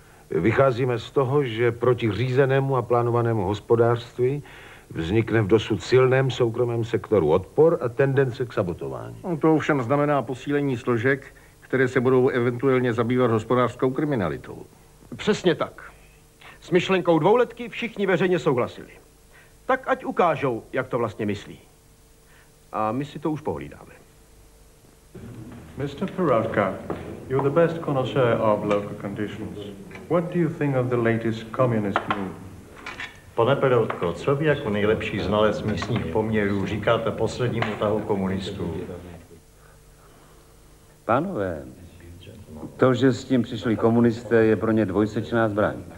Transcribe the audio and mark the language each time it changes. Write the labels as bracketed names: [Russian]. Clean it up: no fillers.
[Czech] Vycházíme z toho, že proti řízenému a plánovanému hospodářství vznikne v dosud silném soukromém sektoru odpor a tendence k sabotování. No to ovšem znamená posílení složek, které se budou eventuálně zabývat hospodářskou kriminalitou. Přesně tak. S myšlenkou dvouletky všichni veřejně souhlasili. Tak ať ukážou, jak to vlastně myslí. A my si to už pohlídáme. [English] Mr. Peralta, you're the best connoisseur of local conditions. What do you think of the latest communist move? [Czech] Pane Perotko, co vy jako nejlepší znalec místních poměrů říkáte poslednímu tahu komunistů? Pánové, to, že s tím přišli komunisté, je pro ně dvojsečná zbraň.